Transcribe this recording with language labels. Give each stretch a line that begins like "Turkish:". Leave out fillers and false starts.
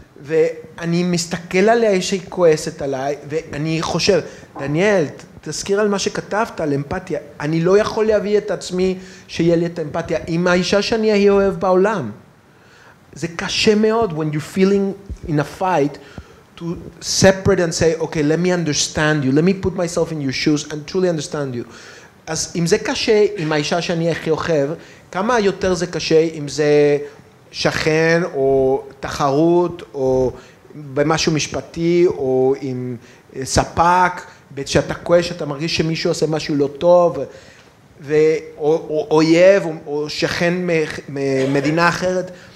Hebrew: ואני מסתכל עליה שהיא כועסת עליי, ואני חושב, דניאל, תזכיר על מה שכתבת, על אמפתיה. אני לא יכול להביא את עצמי שיהיה לי את האמפתיה עם האישה שאני הכי אוהב בעולם. זה קשה מאוד
English: when you're feeling in a fight to separate and say, okay, let me understand you, let me put myself in your shoes and truly understand you.
Hebrew: אז אם זה קשה עם האישה שאני הכי אוהב, כמה יותר זה קשה אם זה שכן או תחרות או במשהו משפטי או עם ספק, שאתה כועס, שאתה מרגיש שמישהו עושה משהו לא טוב, או אויב או שכן ממדינה אחרת.